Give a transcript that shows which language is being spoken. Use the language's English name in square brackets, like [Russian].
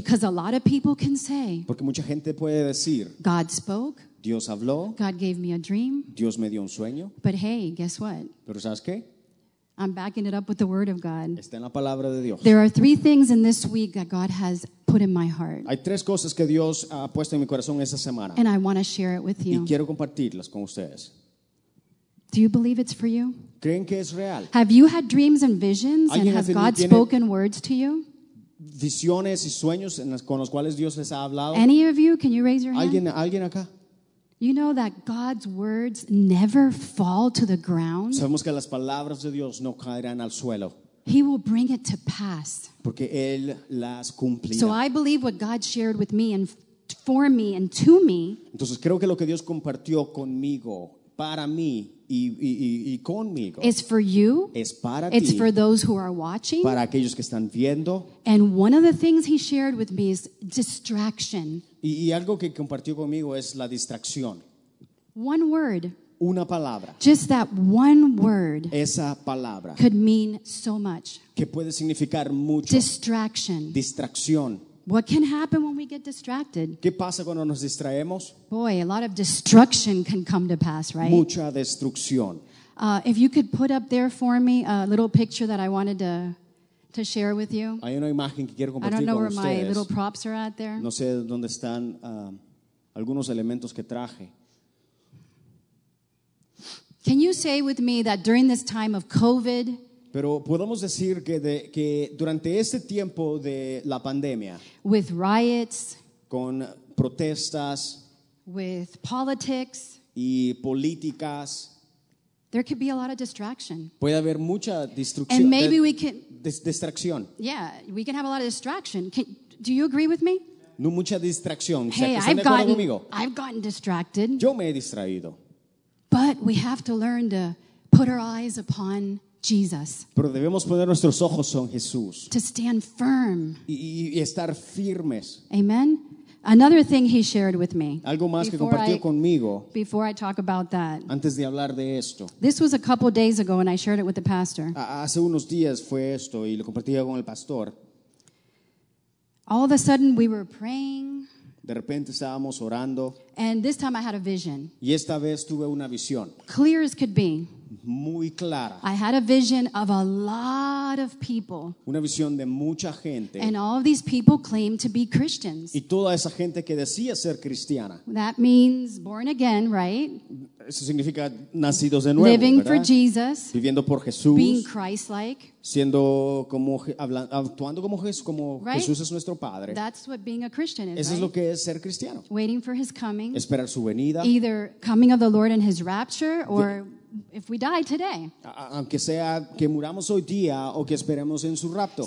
[English] Because a lot of people can say. [Spanish] Porque mucha gente puede decir. [English] God spoke. [Spanish] Dios habló. [English] God gave me a dream. [Spanish] Dios me dio un sueño. [English] But hey, guess what? [Spanish] Pero ¿sabes qué? [English] I'm backing it up with the Word of God. [Spanish] Está en la palabra de Dios. [English] There are three things in this week that God has put in my heart. [Spanish] Hay tres cosas que Dios ha puesto en mi corazón esa semana. [English] And I want to share it with you. [Spanish] Y quiero compartirlas con ustedes. [English] Do you believe it's for you? [Spanish] ¿Creen que es real? [English] Have you had dreams and visions and has God spoken words to you? [Spanish] Visiones y sueños con los cuales Dios les ha hablado. [English] Any of you, can you raise your hand? [Spanish] ¿Alguien acá? [English] You know that God's words never fall to the ground. [Spanish] Sabemos que las palabras de Dios no caerán al suelo. [English] He will bring it to pass. [Spanish] Porque él las cumplirá. [English] So I believe what God shared with me and for me and to me. [Spanish] Entonces creo que lo que Dios compartió conmigo, para mí y conmigo. [English] Is for you. [Spanish] Es para [English] it's It's for those who are watching. [Spanish] Para aquellos que están viendo. [English] And one of the things he shared with me is distraction. [Spanish] Y algo que compartió conmigo es la distracción. [English] One word. [Spanish] Una palabra. [English] Just that one word. [Spanish] Esa palabra. [English] Could mean so much. [Spanish] Que puede significar mucho. [English] Distraction. [Spanish] Distracción. [English] What can happen when we get distracted? [Spanish] ¿Qué pasa cuando nos distraemos? [English] Boy, a lot of destruction can come to pass, right? [Spanish] Mucha destrucción. [English] If you could put up there for me a little picture that I wanted to share with you. [Spanish] Hay una imagen que quiero compartir con ustedes. [English] know where my little props are at there. [Spanish] No sé dónde están algunos elementos que traje. [English] Can you say with me that during this time of COVID? [Spanish] Pero podemos decir que durante este tiempo de la pandemia. [English] With riots. [Spanish] Con protestas. [English] With politics. [Spanish] Y políticas. [English] There could be a lot of distraction. [Spanish] Puede haber mucha distracción. [English] And maybe we can. [Spanish] Distracción. [English] Yeah, we can have a lot of distraction. Do you agree with me? [Spanish] No mucha distracción. [English] Hey, I've gotten distracted. [Spanish] Yo me he distraído. [English] But we have to learn to put our eyes upon Jesus. [Spanish] Pero debemos poner nuestros ojos en Jesús. [English] To stand firm. [Spanish] Y estar firmes. [English] Amen. Another thing he shared with me. [Spanish] Algo más que compartió conmigo. [English] Before I talk about that. [Spanish] Antes de hablar de esto. [English] This was a couple days ago and I shared it with the pastor. [Spanish] Hace unos días fue esto y lo compartí con el pastor. [English] All of a sudden we were praying. [Spanish] De repente estábamos orando. [English] And this time I had a vision. [Spanish] Y esta vez tuve una visión. [English] Clear as could be. [Spanish] Muy clara. [English] I had a vision of a lot of people. [Spanish] Una visión de mucha gente. [English] And all of these people claimed to be Christians. [Spanish] Y toda esa gente que decía ser cristiana. [English] That means born again, right? [Spanish] Eso significa nacidos de nuevo, [English] living [Spanish] ¿verdad? [English] For Jesus. [Spanish] Viviendo por Jesús. [English] Being Christ-like. [Spanish] Siendo como actuando como Jesús, como [English] right? [Spanish] Jesús es nuestro padre. [English] That's what being a Christian is. [Spanish] Eso [English] right? [Spanish] Es lo que es ser cristiano. [English] Waiting for his coming. [Spanish] Esperar su venida. [English] Either coming of the Lord and his rapture or if we die today. [Spanish] Aunque sea que muramos hoy día o que esperemos en su rapto.